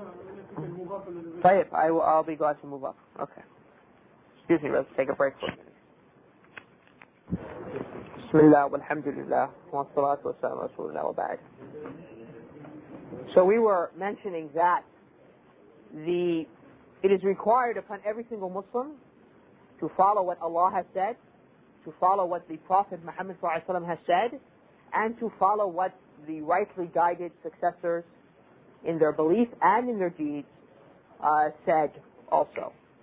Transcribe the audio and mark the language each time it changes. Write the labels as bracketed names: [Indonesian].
[English] Yeah. Well, it's affecting them. I'll be glad to move up. Okay. Excuse me, let's take a break for a minute. [Arabic] بسم الله والحمد لله والصلاة والسلام على رسول الله وبعد. [English] So we were mentioning that it is required upon every single Muslim to follow what Allah has said, to follow what the Prophet Muhammad [Arabic] صلى الله عليه وسلم [English] has said, and to follow what the rightly guided successors in their belief and in their deeds said also.